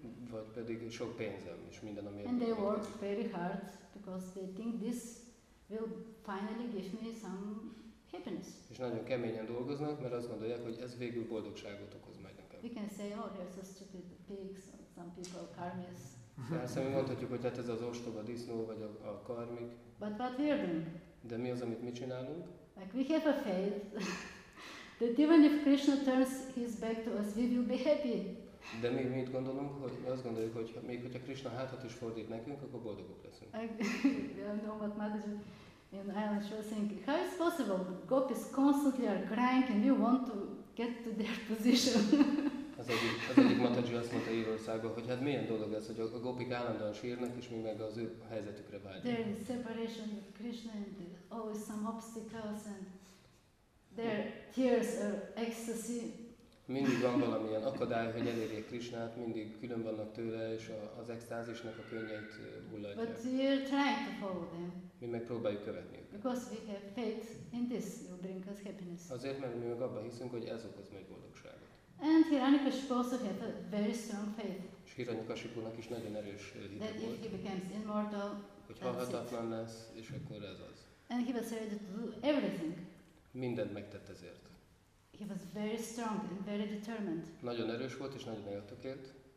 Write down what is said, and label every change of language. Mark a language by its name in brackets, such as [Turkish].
[Hungarian] Vagy pedig sok pénzem és minden, ami. [English] And they work very hard because they think this will finally give me some happiness. [Hungarian] És nagyon keményen dolgoznak, mert azt gondolják, hogy ez végül boldogságot okoz majd nekem. [English] We can say, oh, they're so stupid pigs, some people karmis. [Hungarian] Persze, mi mondhatjuk, hogy hát ez az ostoba disznó vagy a karmik. [English] But what we are doing? [Hungarian] De mi az, amit mi csinálunk? [English] Like we have a faith that even if Krishna turns his back to us, we will be happy. [Hungarian] De mi mit gondolunk, hogy azt gondoljuk, hogy még hogyha Krishna hátat is fordít nekünk, akkor boldogok leszünk. [English] I don't know what Madhuji in Ireland was thinking. How is possible? Gopis constantly are crying and you want to get to their position. [Hungarian] Az egyik Madhuji azt mondta Írországban, hogy hát milyen dolog ez, hogy a gopik állandóan sírnak, és mi meg az ő helyzetükre vágyunk. [English] There is separation with Krishna and always some obstacles and their tears are ecstasy. [Hungarian] Mindig van valamilyen akadály, hogy elérjék Krishnát, mindig külön vannak tőle, és az extázisnak a könnyeit hullatják. [English] But we are trying to follow them. [Hungarian] Mi meg próbáljuk követni őket. [English] Because we have faith in this, it will bring us happiness. [Hungarian] Azért, mert mi meg abban hiszünk, hogy ez okoz meg boldogságot. [English] And Hiranyakashipu also had a very strong faith. [Hungarian] És Hiranyakashipunak is nagyon erős hite volt. [English] That if he becomes immortal, [Hungarian] hogy halhatatlan lesz, és akkor ez az. [English] And he was ready to do everything. [Hungarian] Mindent megtett ezért. [English] He was very strong and very determined. [Hungarian] Nagyon erős volt és nagyon eltökélt.